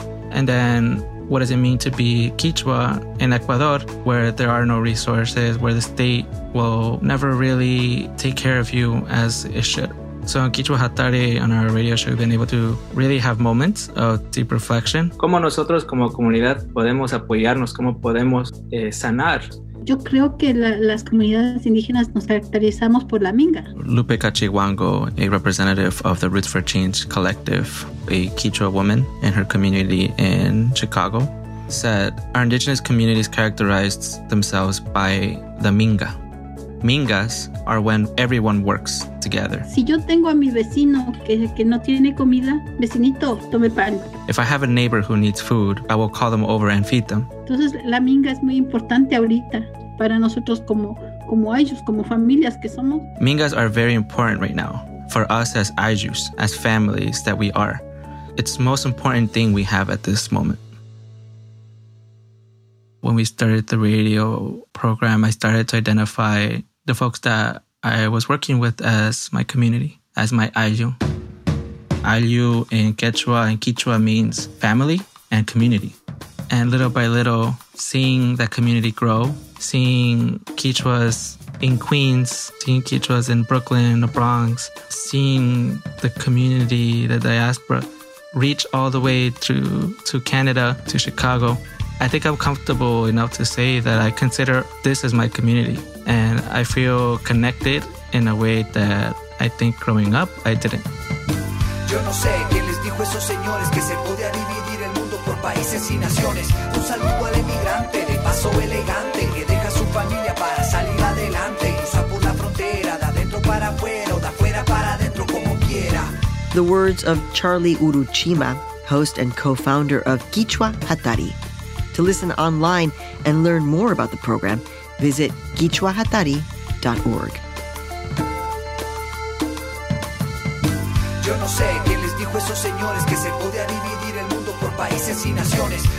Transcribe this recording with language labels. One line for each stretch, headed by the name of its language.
English: And then what does it mean to be Quechua in Ecuador, where there are no resources, where the state will never really take care of you as it should? So on Quechua Hatari, on our radio show, we've been able to really have moments of deep reflection.
Spanish: ¿Cómo nosotros como comunidad podemos apoyarnos? ¿Cómo podemos sanar? Yo creo que las comunidades indígenas nos caracterizamos por la minga.
English: Lupe Cachihuango, a representative of the Roots for Change Collective, a Quechua woman in her community in Chicago, said our indigenous communities characterized themselves by the minga. Mingas are when everyone works together.
Spanish: Si yo tengo a mi vecino que no tiene comida, vecinito, tome pan.
English: If I have a neighbor who needs food, I will call them over and feed them.
Spanish: Entonces la minga es muy importante ahorita para nosotros como ayllus, como familias que somos.
English: Mingas are very important right now for us as ayllus, as families that we are. It's the most important thing we have at this moment. When we started the radio program, I started to identify the folks that I was working with as my community, as my ayllu. Ayllu in Quechua and Quechua means family and community. And little by little, seeing that community grow, seeing Quechuas in Queens, seeing Quechuas in Brooklyn, the Bronx, seeing the community, the diaspora, reach all the way through to Canada, to Chicago, I think I'm comfortable enough to say that I consider this as my community, and I feel connected in a way that I think growing up, I didn't.
Spanish: Yo no sé quién les dijo esos señores que se podía dividir el mundo por países y naciones. Un saludo al emigrante de paso elegante que deja su familia para salir adelante. Usa por la frontera, de adentro para afuera o de afuera para adentro como quiera.
English: The words of Charlie Uruchima, host and co-founder of Quechua Hatari. To listen online and learn more about the program, visit quichuahatari.org.
Spanish: Yo no sé quién les dijo esos señores que se podía dividir el mundo por países y naciones.